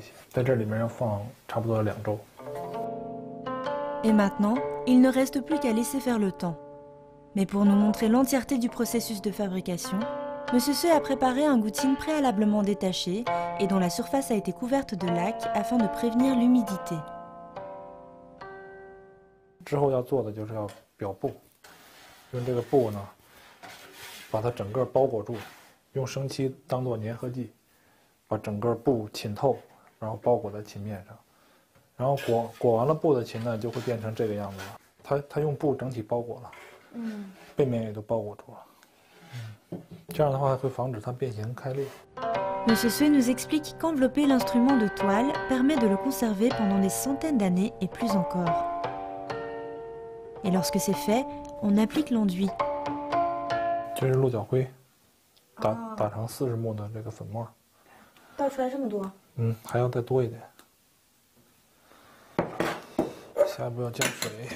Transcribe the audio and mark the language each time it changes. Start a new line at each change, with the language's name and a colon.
Chinese: 关上。对，关上。温度控制在25度，正负5度，湿度要75%到85%之间。这个湿度是室内的湿度，这音房里因为喷了水，它湿度会高一些。在这里面要放差不多2周。
French: Et maintenant, il ne reste plus qu'à laisser faire le temps. Mais pour nous montrer l'entièreté du processus de fabrication, M. Sui a préparé un gouttine préalablement détaché et dont la surface a été couverte de laque afin de prévenir l'humidité.
Chinese: 之后要做的就是要裱布，用这个布呢，把它整个包裹住。用生漆当做粘合剂，把整个布浸透，然后包裹在琴面上，然后裹完了布的琴呢，就会变成这个样子了。它用布整体包裹了，嗯，背面也都包裹住了，嗯，这样的话会防止它变形开裂。
French: Monsieur Sue nous explique qu'envelopper l'instrument de toile permet de le conserver pendant des centaines d'années et plus encore. Et lorsque c'est fait, on applique l'enduit. C'est le
Chinese: 鹿角灰，打成四十目的这个粉末。倒出来这么多？嗯，还要再多一点。下一步要加水。